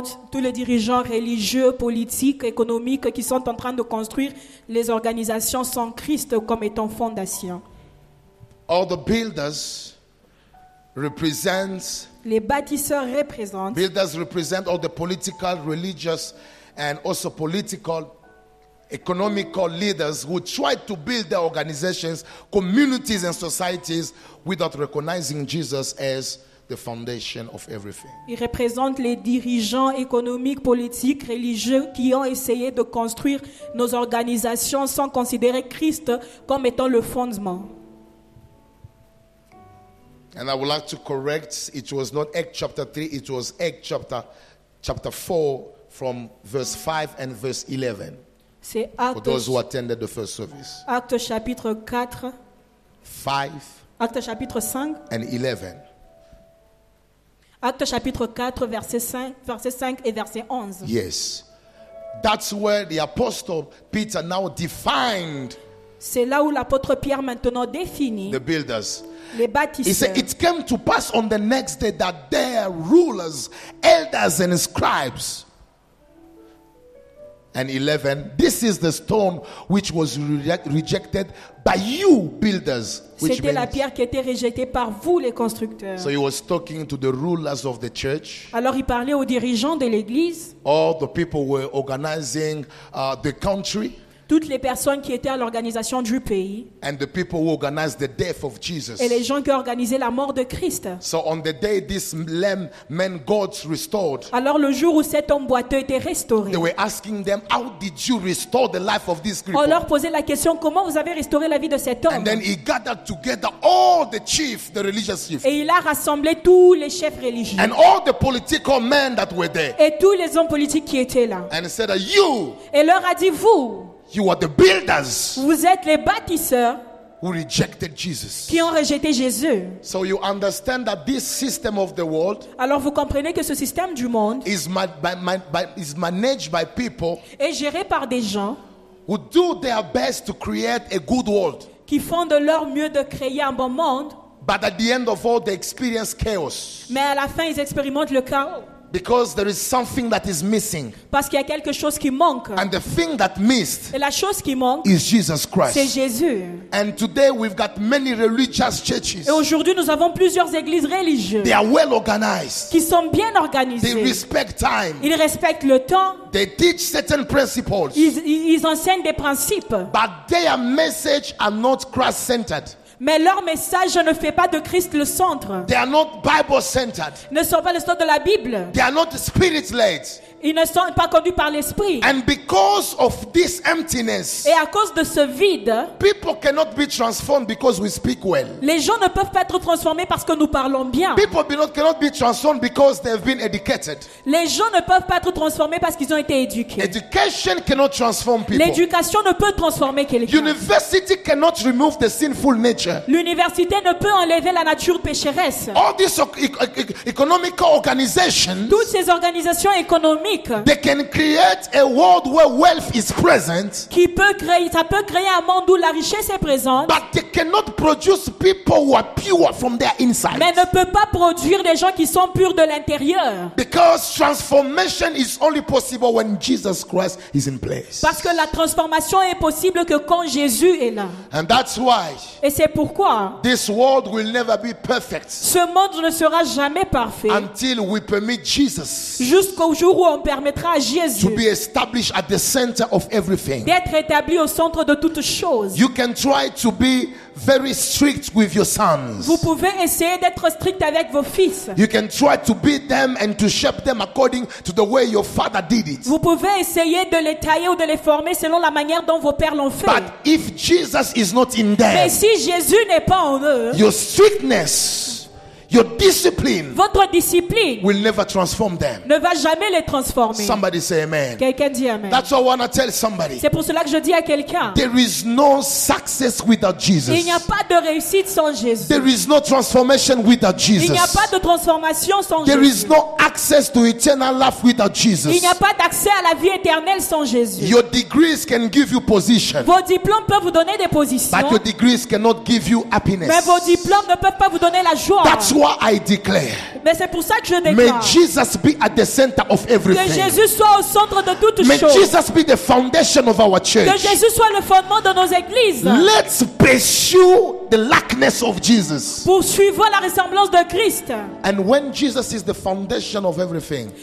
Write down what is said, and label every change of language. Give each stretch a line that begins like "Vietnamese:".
French: Tous les dirigeants religieux, politiques, économiques qui sont en train de construire les organisations sans Christ comme étant fondation.
English: All the builders represent.
French: Les bâtisseurs représentent.
English: Builders represent all the political, religious, and also political, economical leaders who try to build their organizations, communities, and societies without recognizing Jesus as the foundation of everything.
French: Ils représentent les dirigeants économiques, politiques, religieux qui ont essayé de construire nos organisations sans considérer Christ comme étant le fondement.
English: And I would like to correct, it was not Acts chapter 3, it was Acts chapter 4, from verse 5 and verse 11.
French: C'est Acte,
English: for those who attended the first service.
French: Acte chapitre 4. 5. Acte chapitre 5.
English: And 11.
French: Acte chapitre 4, verset 5 et verset 11.
English: Yes. That's where the apostle Peter now defined.
French: C'est là où l'apôtre Pierre maintenant définit.
English: The builders.
French: Les bâtisseurs.
English: He said it came to pass on the next day that their rulers, elders and scribes. And 11, this is the stone which was rejected by you builders. Which
French: c'était
English: means,
French: la pierre qui était rejetée par vous les constructeurs.
English: So he was talking to the rulers of the church.
French: Alors il parlait aux dirigeants de l'église.
English: All the people were organizing the country.
French: toutes les personnes qui étaient à l'organisation du pays.
English: And the people who organized the death of Jesus.
French: Et les gens qui organisaient la mort de Christ.
English: So on the day this lame man got restored.
French: Alors le jour où cet homme boiteux était restauré.
English: They were asking them, how did you restore the life of this cripple?
French: On leur posait la question, comment vous avez restauré la vie de cet homme?
English: And then he gathered together all the chiefs, the religious chiefs.
French: Et il a rassemblé tous les chefs religieux.
English: And all the political men that were there.
French: Et tous les hommes politiques qui étaient là.
English: And he said, you.
French: Et leur a dit, vous.
English: You are the builders.
French: Vous êtes les bâtisseurs.
English: Who rejected Jesus?
French: Qui ont rejeté Jésus?
English: So you understand that this system of the world.
French: Alors vous comprenez que ce système du monde.
English: Is managed by people.
French: Est géré par des gens.
English: Who do their best to create a good world.
French: Qui font de leur mieux de créer un bon monde.
English: But at the end of all, they experience chaos.
French: Mais à la fin, ils expérimentent le chaos.
English: Because there is something that is missing.
French: Parce qu'il y a quelque chose qui manque.
English: And the thing that missed.
French: Et la chose qui manque.
English: Is Jesus Christ.
French: C'est Jésus.
English: And today we've got many religious churches.
French: Et aujourd'hui nous avons plusieurs églises religieuses.
English: They are well organized.
French: Qui sont bien organisées.
English: They respect time.
French: Ils respectent le temps.
English: They teach certain principles.
French: Ils enseignent des principes.
English: But their message are not Christ-centered.
French: Mais leur message ne fait pas de Christ le centre.
English: They are not Bible-centered.
French: Ne sont pas le centre de la Bible.
English: They are not spirit-led.
French: Ils ne sont pas conduits par l'esprit.
English: And because of this emptiness,
French: et à cause de ce vide,
English: people cannot be transformed because we speak well.
French: Les gens ne peuvent pas être transformés parce que nous parlons bien.
English: People cannot be transformed because they have been educated.
French: Les gens ne peuvent pas être transformés parce qu'ils ont été éduqués.
English: Education cannot transform people.
French: L'éducation ne peut transformer quelqu'un.
English: University cannot remove the sinful nature.
French: L'université ne peut enlever la nature pécheresse.
English: All these economical organizations,
French: toutes ces organisations économiques.
English: They can create a world where wealth is present.
French: Qui peut créer, ça peut créer un monde où la richesse est présente.
English: But they cannot produce people who are pure from their inside.
French: Mais ne peut pas produire des gens qui sont purs de l'intérieur.
English: Because transformation is only possible when Jesus Christ is in place.
French: Parce que la transformation est possible que quand Jésus est là.
English: And that's why.
French: Et c'est pourquoi.
English: This world will never be perfect.
French: Ce monde ne sera jamais parfait.
English: Until we permit Jesus.
French: Jusqu'au jour où on permettra à Jésus
English: to be established at the center of everything.
French: D'être établi au centre de toutes choses.
English: You can try to be very strict with your sons.
French: Vous pouvez essayer d'être strict avec vos fils.
English: You can try to beat them and to shape them according to the way your father did it.
French: Vous pouvez essayer de les tailler ou de les former selon la manière dont vos pères l'ont fait.
English: But if Jesus is not in them,
French: mais si Jésus n'est pas en eux,
English: your strictness, your discipline,
French: votre discipline
English: will never transform them.
French: Ne va jamais les transformer.
English: Somebody say amen.
French: Quelqu'un dit amen.
English: That's what I want to tell somebody.
French: C'est pour cela que je dis à quelqu'un.
English: There is no success without Jesus.
French: Il n'y a pas de réussite sans Jésus.
English: There is no transformation without Jesus.
French: Il n'y a pas de transformation sans Jésus.
English: There is no access to eternal life without Jesus.
French: Il n'y a pas d'accès à la vie éternelle sans Jésus.
English: Your degrees can give you position.
French: Vos diplômes peuvent vous donner des positions.
English: But your degrees cannot give you happiness.
French: Mais vos diplômes ne peuvent pas vous donner la joie.
English: That's what I declare.
French: Mais c'est pour ça que je déclare.
English: May Jesus be at the center of everything.
French: Que Jésus soit au centre de toutes
English: May
French: choses.
English: May Jesus be the foundation of our church.
French: Que Jésus soit le fondement de nos églises.
English: Let's pursue the likeness of Jesus.
French: Poursuivons la ressemblance de Christ.
English: And when Jesus is the foundation of everything,